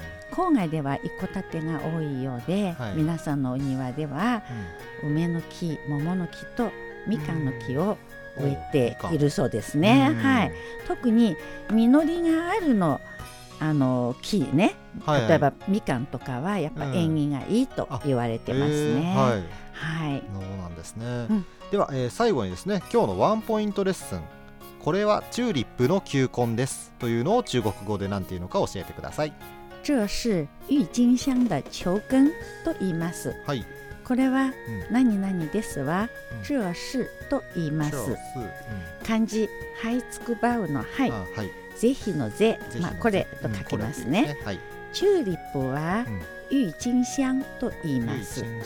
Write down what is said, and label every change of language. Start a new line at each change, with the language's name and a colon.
Japanese: 郊外では一戸建てが多いようで、はい、皆さんのお庭では、梅の木、桃の木とみかんの木を植えているそうですね、はい、特に実りがあるの木ね、はい、例えばみかんとかはやっぱ縁起がいいと言われてますね、はい、はい、そうなんですね、では、最後にですね、今日のワンポイントレッスン、これはチューリップの球根ですというのを中国語で何て言うのか教えてください。
Chinese: 这是郁金香的球根
Japanese: と言います、はい、これは何々ですは、这是と言います、漢字はいつくばうの、はい、是非のぜ、まあ、これと書きます ね、はい、チューリップは郁金香と言います。